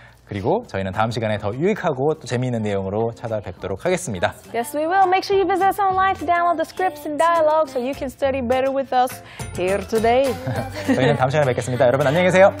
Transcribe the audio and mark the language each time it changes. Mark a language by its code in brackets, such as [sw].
[ko] 그리고 저희는 다음 시간에 더 유익하고 또 재미있는 내용으로 찾아뵙도록 하겠습니다. [en] Yes, we will. Make sure you visit us online to download the scripts and dialogue so you can study better with us here today. [ko] 저희는 다음 시간에 뵙겠습니다. 여러분, 안녕히 계세요.